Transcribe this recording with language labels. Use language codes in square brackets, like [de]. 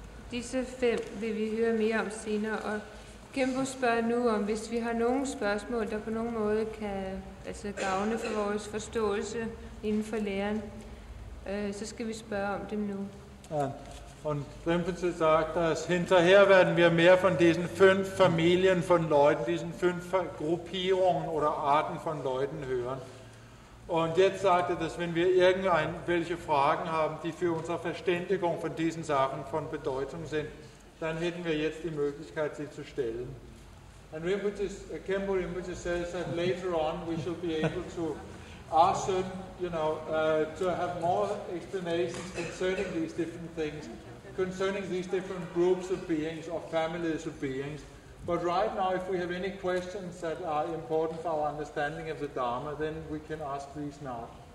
[da] Disse fem vil vi høre mere om senere, og Kimbo spørger nu om, hvis vi har nogle spørgsmål, der på nogen måde kan altså gavne for vores forståelse inden for læren, så skal vi spørge om dem nu. [de] Und Rinpoche sagt, dass hinterher werden wir mehr von diesen fünf Familien von Leuten, diesen fünf Gruppierungen oder Arten von Leuten hören. Und jetzt sagt er, dass wenn wir irgendwelche Fragen haben, die für unsere Verständigung von diesen Sachen von Bedeutung sind, dann hätten wir jetzt die Möglichkeit, sie zu stellen. [en] And Kenpo Rinpoche says that later on we shall be able to ask certain, you know, to have more explanations concerning these different things, concerning these different groups of beings or families of beings. But right now, if we have any questions that are important for our understanding of the Dharma, then we can ask these now.